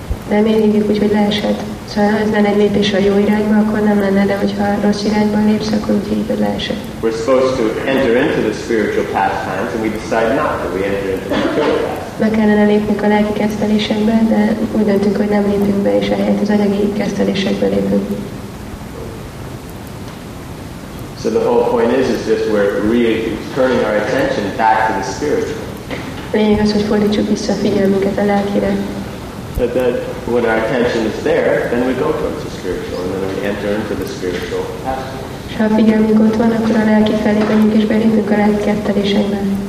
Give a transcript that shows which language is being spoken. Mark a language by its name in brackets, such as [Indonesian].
[Hungarian] De miért hívjuk úgy, hogy leesett? Szóval ez lenne egy lépés a jó irányba, akkor nem lenne, de hogyha rossz irányba lépsz, akkor úgy hívod leesett. [English] We're supposed to enter into the spiritual pastimes, and we decide not that we enter into the material pastimes. [Hungarian] Be kellene lépnünk a lelki kezdelésekbe, de úgy döntünk, hogy nem lépünk be, és ehelyett az anyagi kezdelésekbe lépünk. [English] So the whole point is just we're really turning our attention back to the spiritual. [Hungarian] Lényeg az, hogy fordítsuk vissza a figyelmünket a lelkire. [English] But that when our attention is there, then we go towards the spiritual, and then we enter into the spiritual pastimes. [Hungarian] Ha a figyelmünk ott van, akkor a lelki felé megyünk, és belépünk a lelki kettelésekbe.